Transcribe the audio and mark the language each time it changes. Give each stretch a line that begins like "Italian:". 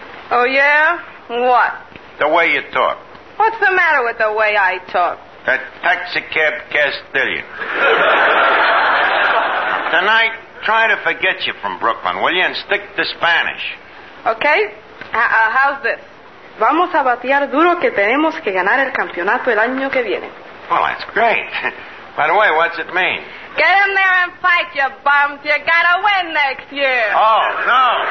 English: Oh, yeah? What? The way you talk. What's the matter with the way I talk? That taxicab Castilian. Tonight, try to forget you from Brooklyn, will you, and stick to Spanish. Okay. How's this?
Spanish: Vamos a batear duro que tenemos que ganar el campeonato el año que viene.
English: Well, that's great. By the way, what's it mean? Get in there and fight, you bums. You gotta win next year. Oh, no.